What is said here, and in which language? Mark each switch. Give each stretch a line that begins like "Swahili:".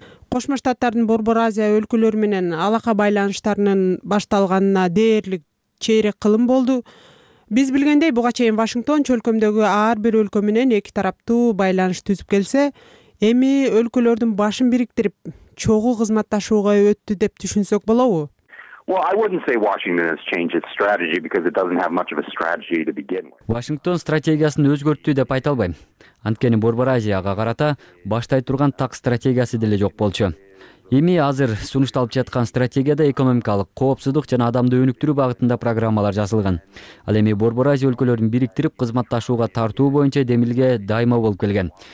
Kyrgyz: Кошмо Штаттардын Борбор Азия өлкөлөрү менен алака байланыштарынын башталганына дээрлик чейрек кылым болду. Биз билгендей, буга чейин Вашингтон чөлкөмдөгү ар бир өлкө менен эки тараптуу байланыш түзүп келсе, эми өлкөлөрдүн башын бириктирип, чогуу кызматташууга өттү деп түшүнсөк болобу?
English: Well, I wouldn't say Washington has changed its strategy because it doesn't have much of a strategy to begin with.
Kyrgyz: Washington стратегиясын өзгөрттү деп айта албайм. Анткени Борбор Азияга карата баштай турган так стратегиясы деле жок болчу. Эми азыр сунушталып жаткан стратегияда экономикалык коопсуздук жана адамды өнүктүрүү багытында программалар жазылган. Ал эми Борбор Азия өлкөлөрүн бириктирип кызматташууга тартуу боюнча демилге дайыма болуп келген.